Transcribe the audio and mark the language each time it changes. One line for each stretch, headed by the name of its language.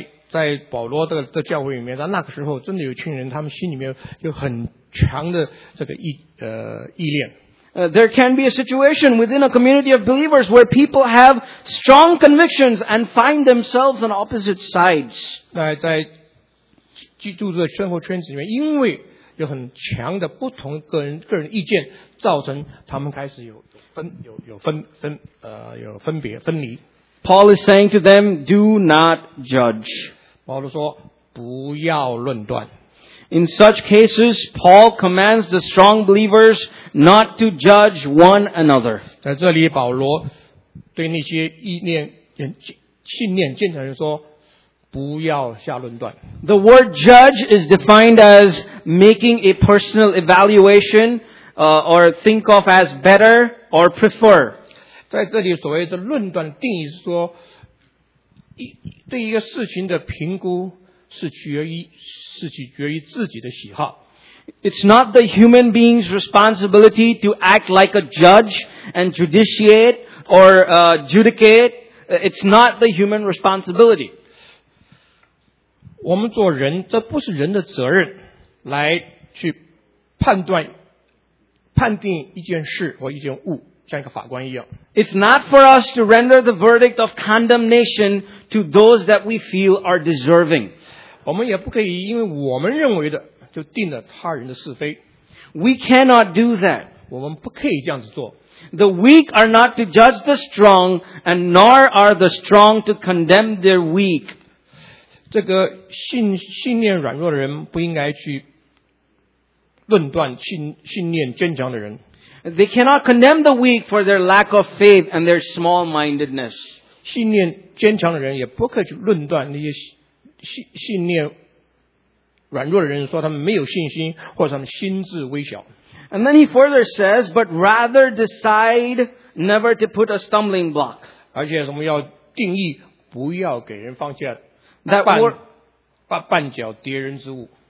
Chinese: 在保罗的这教会里面，在那个时候，真的有群人，他们心里面有很强的这个意念。
English: There can be a situation within a community of believers where people have strong convictions and find themselves on opposite sides.
Chinese: 在基督的生活圈子里面，因为有很强的不同个人意见，造成他们开始有分别分离。
English: Paul is saying to them, "Do not judge."
Chinese: 保罗说不要论断。
English: In such cases, Paul commands the strong believers not to judge one another.
Chinese: 在这里，保罗对那些意念、信念坚强的人说，不要下论断。
English: The word "judge" is defined as making a personal evaluation, or think of as better or prefer.
Chinese: 在这里所谓的论断定义是说对一个事情的评估是取决于自己的喜好。
English: It's not the human being's responsibility to act like a judge and judiciate or judicate. It's not the human responsibility.
Chinese: 我们做人这不是人的责任来去判定一件事或一件物。像一个法官一样。
English: It's not for us to render the verdict of condemnation to those that we feel are deserving.
Chinese: 我们也不可以因为我们认为的就定了他人的是非。
English: We cannot do that.
Chinese: 我们不可以这样子做。
English: The weak are not to judge the strong, and nor are the strong to condemn their weak.
Chinese: 这个信念软弱的人不应该去论断信念坚强的人。
English: They cannot condemn the weak for their lack of faith and their small-mindedness.
Chinese: 信念坚强的人也不可以去论断那些信念软弱的人说他们没有信心或者他们心智微小。
English: And then he further says, but rather decide never to put a stumbling block.
Chinese: 而且我们要定义不要给人放下绊脚敌人之物。